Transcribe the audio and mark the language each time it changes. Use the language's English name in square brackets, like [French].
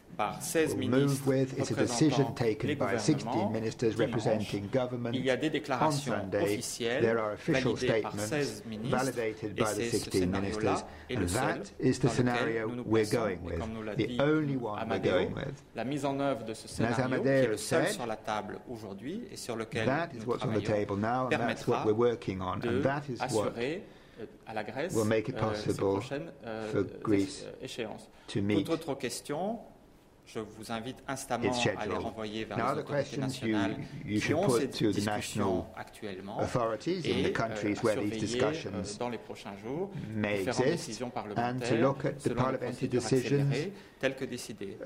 [French] par 16 ministres [English] It's a decision taken by 16 ministers representing government. [French] Il y a des déclarations officielles [English] there are official statements validated by the 16 ministers. And that is the scenario we're going with, the only one we're going with. [French] La mise en œuvre de ce scénario qui est le seul sur la table aujourd'hui et sur lequel [English] that is what's on the table now and that's what we're working on and that is what [French] à la Grèce, [English] will make it possible for Greece to meet. [French] Toute autre question, je vous invite instamment à les renvoyer vers les autorités nationales qui ont cette discussion actuellement et à surveiller dans les prochains jours différentes décisions parlementaires selon les décisions accélérées telles que décidées.